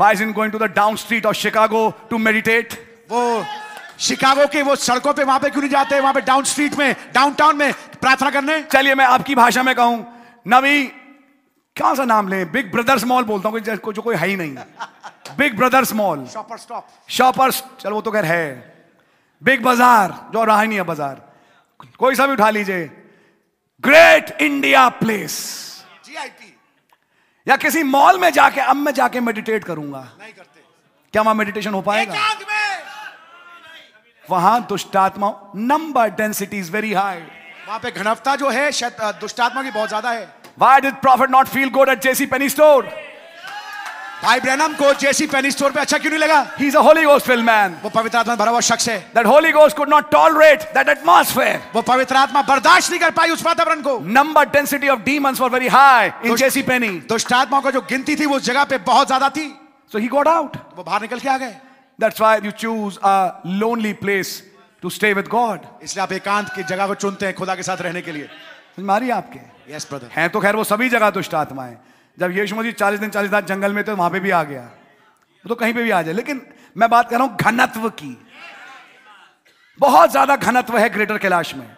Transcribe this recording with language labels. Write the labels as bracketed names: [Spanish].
[English] Why is he going to the down street of Chicago to meditate? [Hindi] वो Chicago के वो सड़कों पे वहां पे क्यों नहीं जाते हैं? वहां पे डाउन स्ट्रीट में, डाउनटाउन में प्रार्थना करने? चलिए मैं आपकी भाषा में कहूं, नबी क्या सा नाम लें, बिग ब्रदर्स मॉल बोलता हूं, जो कोई है ही नहीं, बिग ब्रदर्स मॉल, शॉपर्स, चलो वो तो खैर है, बिग बाजार, जो रहा ही नहीं है बाजार, कोई सा भी उठा लीजिए, ग्रेट इंडिया प्लेस, [English] GIP, [Hindi] या किसी मॉल में जाके अब मैं जाके मेडिटेट करूंगा। नहीं करते। क्या वहां मेडिटेशन हो पाएगा? एकांत में। वहां दुष्टात्मा, [English] number density is very high, [Hindi] वहां पे घनत्ता जो है दुष्टात्मा की बहुत ज्यादा है। [English] Why did prophet not feel good at J.C. Penney store? [Hindi] भाई ब्रैनम को J.C. Penney store पे अच्छा क्यों नहीं लगा? [English] He is a Holy Ghost filled man. [Hindi] वो पवित्र आत्मा भरा हुआ शख्स है. [English] That Holy Ghost could not tolerate that atmosphere. [Hindi] वो पवित्र आत्मा बर्दाश्त नहीं कर पाई उस वातावरण को. [English] Number density of demons were very high in J.C. Penney. [Hindi] दुष्ट आत्माओं का जो गिनती थी वो जगह पे बहुत ज्यादा थी. [English] So he got out. [Hindi] वो बाहर निकल के आ गए. [English] That's why you choose a lonely place to stay with God. [Hindi] इसलिए आप एकांत की जगह को चुनते हैं खुदा के साथ रहने के लिए. मारी आपके? [English] Yes, brother. [Hindi] हैं तो खैर वो सभी जगह दुष्ट आत्माएं। जब यीशु मसीह 40 दिन 40 रात जंगल में थे तो वहां पे भी आ गया, तो कहीं पे भी आ जाए, लेकिन मैं बात कर रहा हूं घनत्व की। बहुत ज्यादा घनत्व है ग्रेटर कैलाश में,